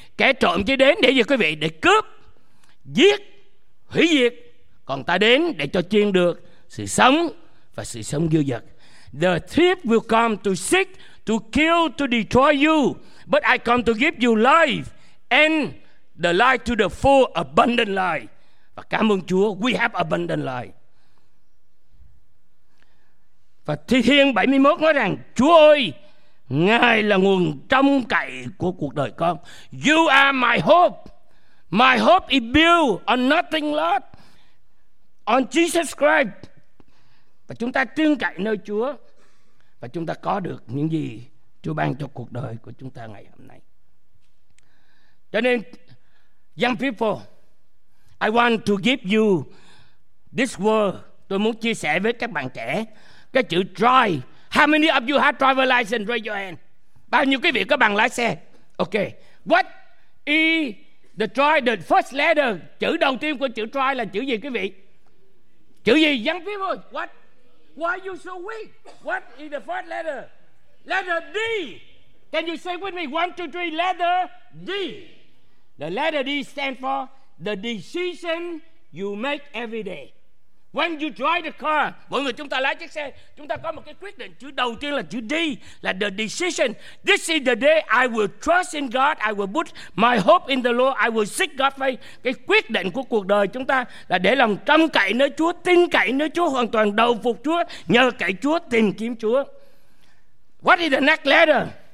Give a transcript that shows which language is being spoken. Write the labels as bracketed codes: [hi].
[vi] Kẻ trộm chỉ đến để gì quý vị? Để cướp, giết, hủy diệt. Còn ta đến để cho chiên được sự sống và sự sống dư dật. [en] The thief will come to seek, to kill, to destroy you. But I come to give you life, and the life to the full, abundant life. [vi] Và cảm ơn Chúa, [en] we have abundant life. [vi] Và Thi Thiên 71 nói rằng, Chúa ơi, Ngài là nguồn trông cậy của cuộc đời con. [en] You are my hope. My hope is built on nothing, Lord. On Jesus Christ. [vi] Và chúng ta tin cậy nơi Chúa, và chúng ta có được những gì Chúa ban cho cuộc đời của chúng ta ngày hôm nay. Cho nên, [en] young people, I want to give you this word. [vi] Tôi muốn chia sẻ với các bạn trẻ cái chữ drive. [en] How many of you have driver license? Raise your hand. [vi] Bao nhiêu quý vị có bằng lái xe? Okay. [en] What is the drive, the first letter? [vi] Chữ đầu tiên của chữ drive là chữ gì quý vị? Chữ gì, [en] young people? What? Why are you so weak? What is the first letter? Letter D. Can you say with me? 1, 2, 3. Letter D. The letter D stands for the decision you make every day. When you drive the car, [vi] mỗi người chúng ta lái chiếc xe, chúng ta có một cái quyết định. Chữ đầu tiên là chữ D, là [en] the decision. This is the day I will trust in God. I will put my hope in the Lord. I will seek God's face. [vi] Cái quyết định của cuộc đời chúng ta là để lòng trông cậy nơi Chúa, tin cậy nơi Chúa, hoàn toàn đầu phục Chúa, nhờ cậy Chúa, tìm kiếm Chúa. [en] What is the next letter?